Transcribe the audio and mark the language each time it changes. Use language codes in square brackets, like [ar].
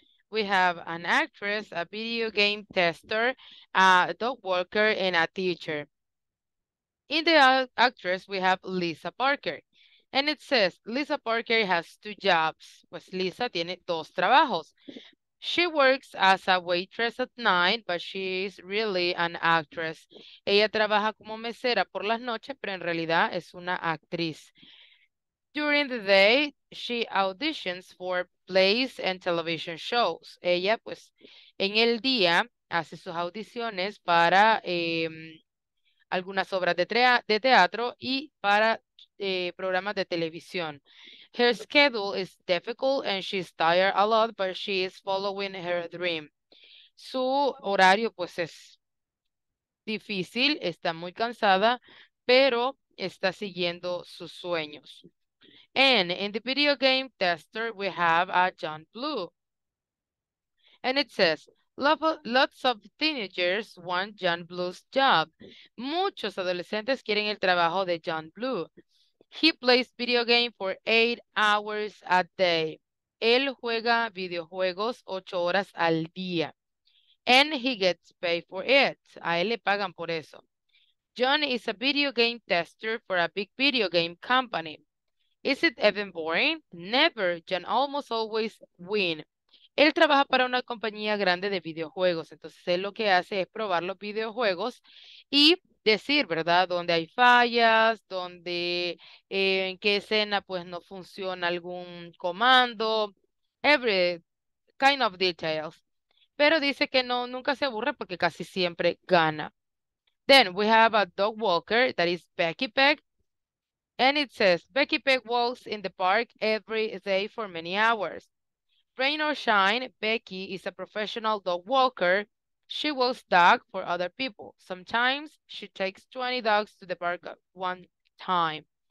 [en] We have an actress, a video game tester, a dog walker, and a teacher. In the actress, we have Lisa Parker. And it says, Lisa Parker has two jobs. [es] Pues Lisa tiene dos trabajos. [en] She works as a waitress at night, but she is really an actress. [es] Ella trabaja como mesera por las noches, pero en realidad es una actriz. [en] During the day, she auditions for plays and television shows. [es] Ella, pues, en el día hace sus audiciones para algunas obras de teatro y para programas de televisión. [en] Her schedule is difficult and she's tired a lot, but she is following her dream. [es] Su horario, pues, es difícil, está muy cansada, pero está siguiendo sus sueños. [en] And in the video game tester, we have a John Blue. And it says, lots of teenagers want John Blue's job. [es] Muchos adolescentes quieren el trabajo de John Blue. [en] He plays video game for 8 hours a day. [es] Él juega videojuegos 8 horas al día. [en] And he gets paid for it. [es] A él le pagan por eso. [en] John is a video game tester for a big video game company. Is it even boring? Never. John almost always win. [es] Él trabaja para una compañía grande de videojuegos. Entonces, él lo que hace es probar los videojuegos y decir, ¿verdad? Dónde hay fallas, dónde, en qué escena, pues, no funciona algún comando. [en] Every kind of details. [es] Pero dice que no, nunca se aburre porque casi siempre gana. [en] Then, we have a dog walker. That is Becky Peck. And it says, Becky Peck walks in the park every day for many hours. Rain or shine, Becky is a professional dog walker. She walks dogs for other people. Sometimes she takes 20 dogs to the park at one time.